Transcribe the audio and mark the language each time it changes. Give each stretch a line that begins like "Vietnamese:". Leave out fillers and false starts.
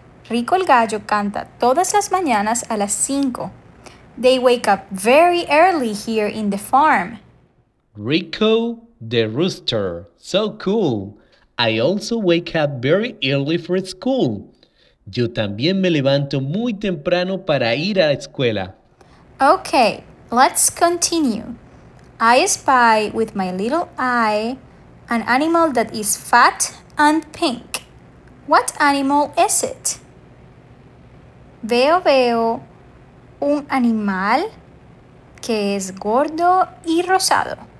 Spanish: Rico el gallo canta todas las mañanas a las 5.
English: They wake up very early here in the farm. Rico the rooster. So cool. I also wake up very early for school.
Spanish: Yo también me levanto muy temprano para ir a la escuela.
English: Okay, let's continue. I spy with my little eye an animal that is fat and pink. What animal is it?
Spanish: Veo, veo un animal que es gordo y rosado.